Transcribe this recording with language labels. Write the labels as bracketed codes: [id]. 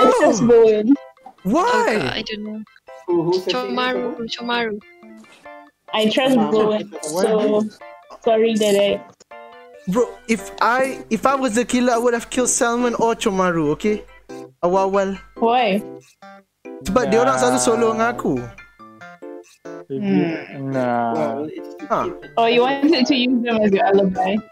[en] I just won. Why? Oh God, I don't know. Chomaru. I trust Bowen, so... Sorry, Dede. Bro, if I was the killer, I would have killed Salmon or Chomaru, okay? [ms] Awal-awal. [en] Why? [ms] Sebab dia orang satu solo dengan aku. Nah. [en] Well, it's Huh. Oh, you wanted to use them as your alibi.